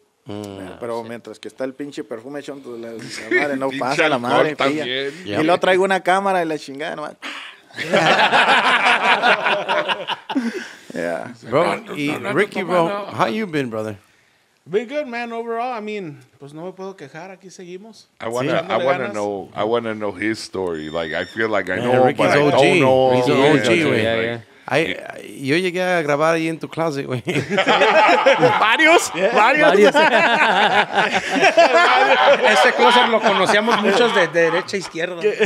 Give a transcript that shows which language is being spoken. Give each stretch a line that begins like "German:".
Spanish: Mientras que está el pinche perfume hecho, entonces la madre no pasa. La madre pilla.
English: Yeah.
Spanish: Y luego traigo una cámara y la chingada nomás.
English: Yeah. Bro, Ricky, bro, how you been, brother? Been good, man. Overall, I mean,
Spanish: pues no me puedo quejar. Aquí seguimos.
English: I wanna know his story. Like, I feel like I know, but I don't know. He's an OG, man.
Spanish: Yo llegué a grabar ahí en tu closet, güey. ¿Varios? ¿Varios? Ese closet lo conocíamos muchos de derecha a izquierda.